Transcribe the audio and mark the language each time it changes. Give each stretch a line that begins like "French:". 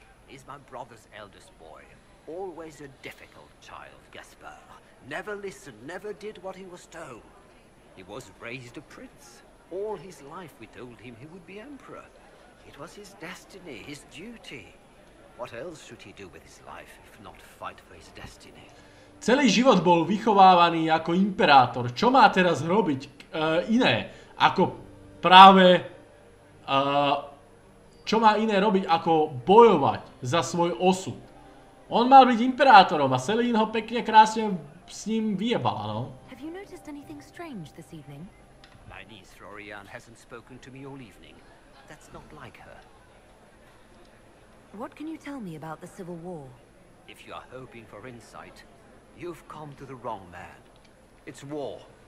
English: He's my brother's eldest boy. Always a difficult child, Gaspard. Never listened, never did what he was told. He was raised a prince. All his life we told him he would be emperor. It was his destiny, his duty. What else should he do with his life if not fight for his destiny?
Slovak: Celý život bol vychovávaný ako imperátor. Čo má teraz robiť iné ako práve... čo má iné robiť ako bojovať za svoj osud? On mal byť imperátorom a Selin ho pekne krásne s ním vyjebala, no.
English: Have you noticed anything strange this evening? My niece Rorianne hasn't spoken to me all evening. That's not like her. What can you tell me about the Civil War? If you are hoping for insight, you've come to the wrong man. It's war.